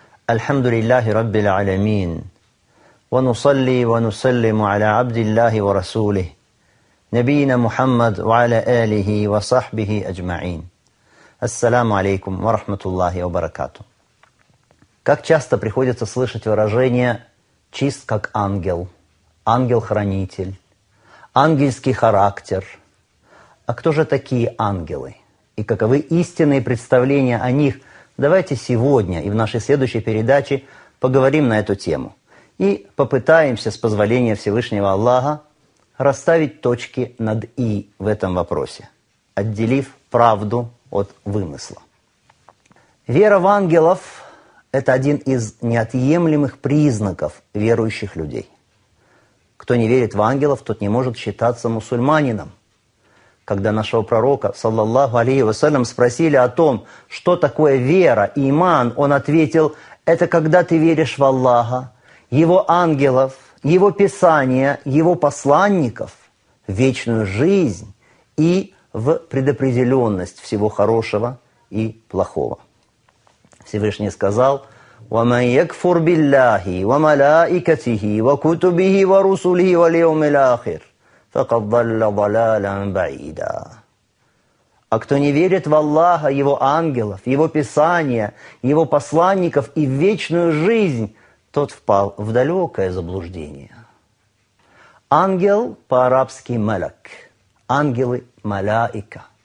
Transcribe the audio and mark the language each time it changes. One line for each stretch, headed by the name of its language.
Arabic: الحمد لله رب العالمين، ونصلي ونسلم على عبد الله ورسوله نبينا محمد وعلى آله وصحبه أجمعين. السلام عليكم ورحمة الله وبركاته.
Russian: Как часто приходится слышать выражение «чист как ангел», «ангел-хранитель», «ангельский характер». А кто же такие ангелы? И каковы истинные представления о них? Давайте сегодня и в нашей следующей передаче поговорим на эту тему. И попытаемся, с позволения Всевышнего Аллаха, расставить точки над «и» в этом вопросе, отделив правду от вымысла. Вера в ангелов – это один из неотъемлемых признаков верующих людей. Кто не верит в ангелов, тот не может считаться мусульманином. Когда нашего пророка, саллаллаху алейхи вассалям, спросили о том, что такое вера, иман, он ответил: «Это когда ты веришь в Аллаха, Его ангелов, Его Писание, Его посланников, в вечную жизнь и в предопределенность всего хорошего и плохого». Всевышний сказал:
Arabic: «ومن يكفر بالله وملائكته وكتبه ورسله واليوم الآخر فقد ضل ضلالا بعيدا».
Russian: А кто не верит в Аллаха, Его ангелов, Его Писания, Его посланников и в вечную жизнь, тот впал в далекое заблуждение. Ангел по-арабски «малак», ангелы «малаика».